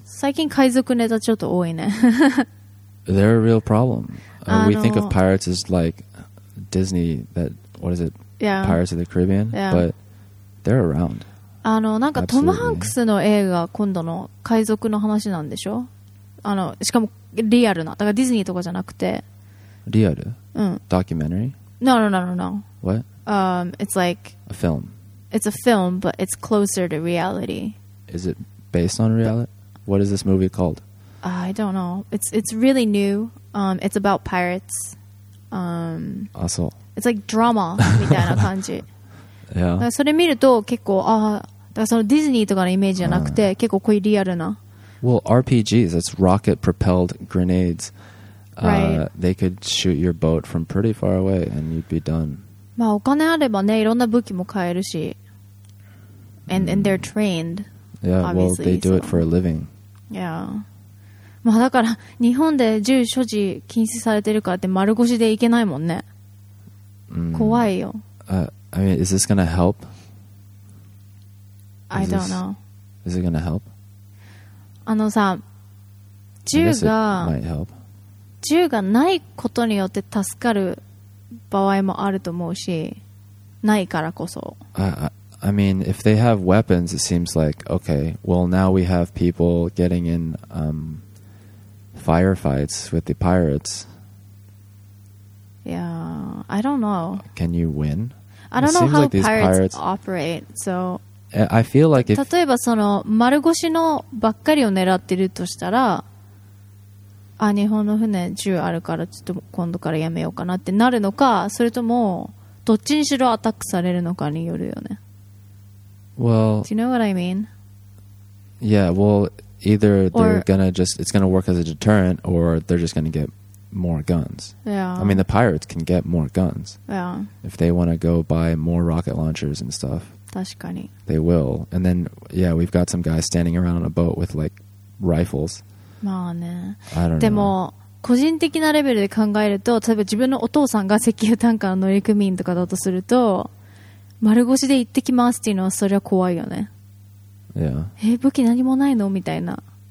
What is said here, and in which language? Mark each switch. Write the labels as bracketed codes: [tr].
[ja] 最近海賊ネタちょっと多いね。 [en] They're a real problem. We think of pirates as like Disney, that what is it? Yeah. Pirates of the Caribbean. Yeah. But they're around. [ja] なんかトム・ハンクスの映画今度の海賊の話なんでしょ？しかもリアルな。だからディズニーとかじゃなくて。リアル？うん。 [en] Documentary? No. What? It's like a film. It's a film, but it's closer to reality. Is it based on reality? What is this movie called? I don't know. It's really new. It's about pirates. Also. It's like drama [ja] みたいな感じ。 [en] Yeah. [ja] だからそれ見ると結構あ、だからそのディズニーとかのイメージじゃなくて結構こういうリアルな。 [en] Well, RPGs, it's rocket propelled grenades. Right. They could shoot your boat from pretty far away and you'd be done. [ja] まあお金あればね、いろんな武器も買えるし。 [en] And they're trained. Yeah, well, they do it for a living. Yeah. [ja] まあ、だから日本で銃所持禁止されてるからって丸腰でいけないもんね。怖いよ。 [en] I mean, is this gonna help? I don't know. Is it gonna help? [ja] さ、銃がないことによって助かる場合もあると思うし、ないからこそ。 [en] I mean, if they have weapons, it seems like, okay, well, now we have people getting in, firefights with the pirates. Yeah, I don't know. Can you win? I don't know how pirates operate. So I feel like if [ja] 例えばその丸腰のばっかりを狙ってるとしたら、あ、日本の船銃あるからちょっと今度からやめようかなってなるのか、それともどっちにしろアタックされるのかによるよね。 [en] Well, do you know what I mean? Yeah, well, either they're gonna just, it's gonna work as a deterrent, or they're just gonna get more guns. Yeah. I mean, the pirates can get more guns. Yeah. If they want to go buy more rocket launchers and stuff. [ja] 確かに。 [en] They will. And then, yeah, we've got some guys standing around on a boat with like rifles. [ja] まあね。 [en] I don't know. [ja] でも個人的なレベルで考えると、例えば自分のお父さんが石油タンカーの乗組員とかだとすると、丸腰で行ってきますっていうのはそれは怖いよね。 [en] Yeah. [ja] 武器何もないのみたいな。